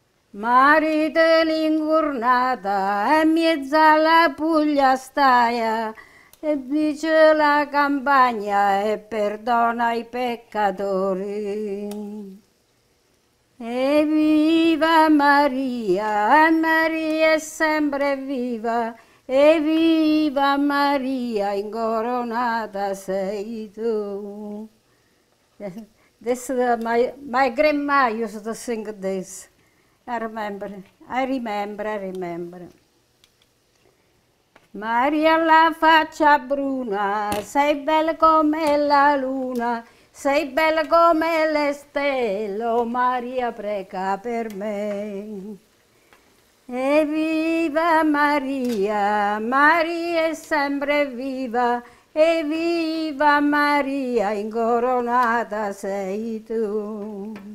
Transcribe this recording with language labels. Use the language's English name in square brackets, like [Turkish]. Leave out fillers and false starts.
[Italian] Marite l'ingurnata, e mezza la Puglia staia, e dice la campagna, e perdona i peccatori. E viva Maria, e Maria è sempre viva, e viva Maria, incoronata sei tu. [English] This is my grandma used to sing this. I remember. [Italian] Maria la faccia bruna, sei bella come la luna, sei bella come le stelle, Maria prega per me. E viva Maria, Maria è sempre viva, e viva Maria, incoronata sei tu.